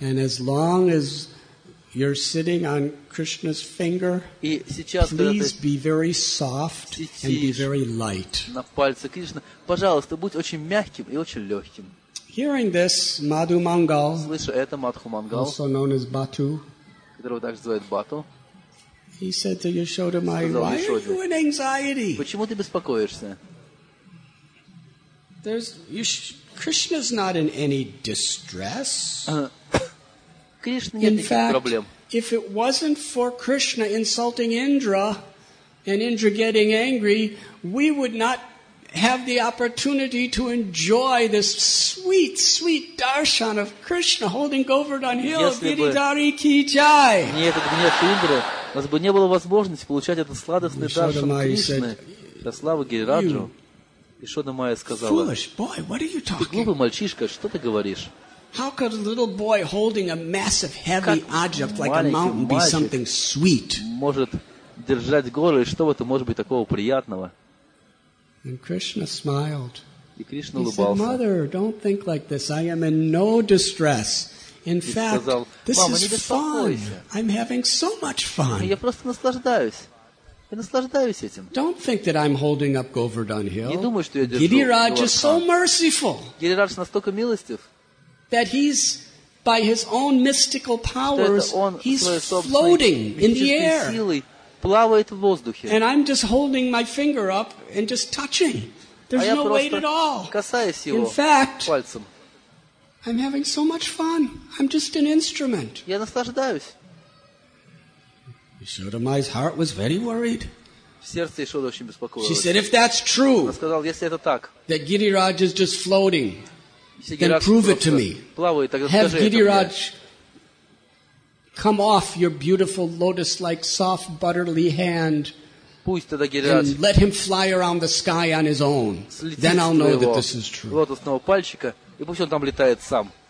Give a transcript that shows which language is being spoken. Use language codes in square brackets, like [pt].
[en] And as long as you're sitting on Krishna's finger, [ru] и сейчас, [en] please be very soft and be very light. [ru] На пальце Кришны, пожалуйста, будь очень мягким и очень легким. [en] Hearing this, Madhu Mangal, also known as Batu, [ru] которого также зовут Бату, [en] he said to Yashoda, "Why are you in anxiety? [ru] Почему ты беспокоишься? [en] Krishna's not in any distress. [ru] Кришны нет никаких проблем. [en] If it wasn't for Krishna insulting Indra and Indra getting angry, we would not have the opportunity to enjoy this sweet, sweet darshan of Krishna holding Govardhan Hill, Giridhari Ki Jai. [ru] У нас бы не было возможности получать этот сладостный даршан Кришны для славы Гирираджу. Ишода Майя сказала, [en] foolish boy, what are you talking? [ru] Ты глупый мальчишка, что ты говоришь? [en] How could a little boy holding a massive heavy object like a mountain be something sweet? [ru] Может держать горы, что в этом может быть такого приятного? [en] And Krishna smiled. [ru] И Кришна улыбался. [en] He said, "Mother, don't think like this. I am in no distress. In fact, this is fun. I'm having so much fun." [ru] Я просто наслаждаюсь. Я наслаждаюсь этим. [en] Don't think that I'm holding up Govardhan Hill. [ru] Не думай, что я держу. [en] Гирирадж is so merciful. [ru] Гирирадж настолько милостив. [en] That he's by his own mystical powers, he's floating in the air. [ru] Плавает в воздухе. [en] And I'm just holding my finger up and just touching. There's no weight at all. [ru] Касаюсь его. [en] In fact, [ru] пальцем. [en] I'm having so much fun. I'm just an instrument. [ru] Я наслаждаюсь. [en] Yashoda Mai's heart was very worried. [ru] Сердце Ишоды очень беспокоилось. [en] She said, "If that's true, [ru] она сказала, если это так, [en] that Giriraj is just floating, then prove it to me. [ru] Плавает, тогда [en] have Giriraj come off your beautiful lotus-like, soft, butterly hand, [ru] пусть тогда [en] Giriraj, and let him fly around the sky on his own. Then I'll know that this is true." [ru] Лотосного пальчика и пусть он там летает сам.